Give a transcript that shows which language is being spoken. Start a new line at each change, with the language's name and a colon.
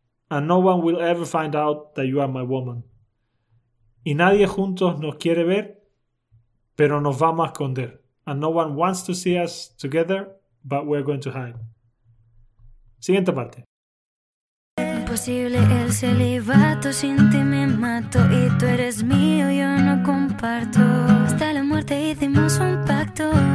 English: And no one will ever find out that you are my woman.
Spanish: Y nadie juntos nos quiere ver, pero nos vamos a esconder.
English: And no one wants to see us together, but we're going to hide.
Spanish: Siguiente parte. Imposible el celibato, sin ti me mato. Y tú eres mío, yo no comparto. Hasta la muerte hicimos un pacto.